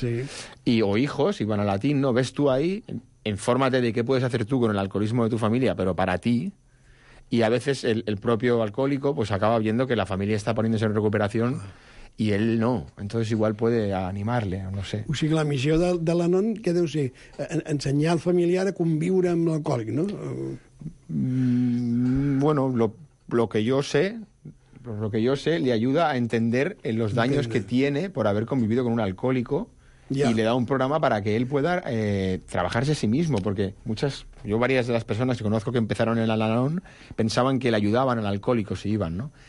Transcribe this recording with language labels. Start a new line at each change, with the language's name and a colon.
Spanish: Sí. Y, o hijos, y van a Latín, ¿no? Ves tú ahí, infórmate de qué puedes hacer tú con el alcoholismo de tu familia, pero para ti. Y a veces el propio alcohólico pues acaba viendo que la familia está poniéndose en recuperación y él no. Entonces igual puede animarle, no sé.
Catalan: O sigui, la missió de l'Anon, què deu ser? Ensenyar al familiar a conviure amb l'alcohòlic, no?
Spanish: Bueno, lo que yo sé... Por lo que yo sé, le ayuda a entender los daños que tiene por haber convivido con un alcohólico y le da un programa para que él pueda trabajarse a sí mismo. Porque varias de las personas que conozco que empezaron en el Al-Anon pensaban que le ayudaban al alcohólico si iban, ¿no?